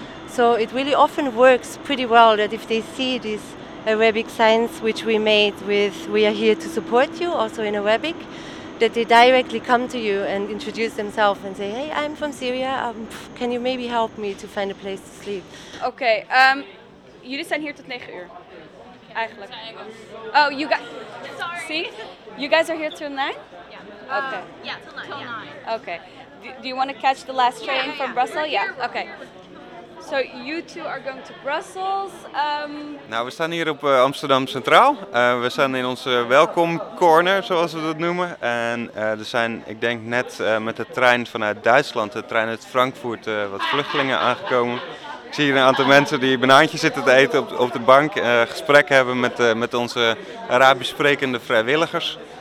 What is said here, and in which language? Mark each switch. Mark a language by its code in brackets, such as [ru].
[en] So it really often works pretty well that if they see these Arabic signs which we made with "we are here to support you" also in Arabic, that they directly come to you and introduce themselves and say, hey, I'm from Syria, can you maybe help me to find a place to sleep? [nl] Okay, jullie zijn hier tot 9 uur, eigenlijk. [en] Oh, you guys, see? You guys are here till 9? Yeah. Okay. Yeah, till 9. Okay. Do you want to catch the last train from Brussels? Yeah, okay. So you two are going to Brussels. [nl] Nou, we staan hier op Amsterdam Centraal. We staan in onze welkom corner, zoals we dat noemen. En er zijn, ik denk net met de trein vanuit Duitsland, de trein uit Frankfurt, wat vluchtelingen aangekomen. Ik zie hier een aantal mensen die banaantjes zitten te eten op de bank. Gesprek hebben met onze Arabisch sprekende vrijwilligers.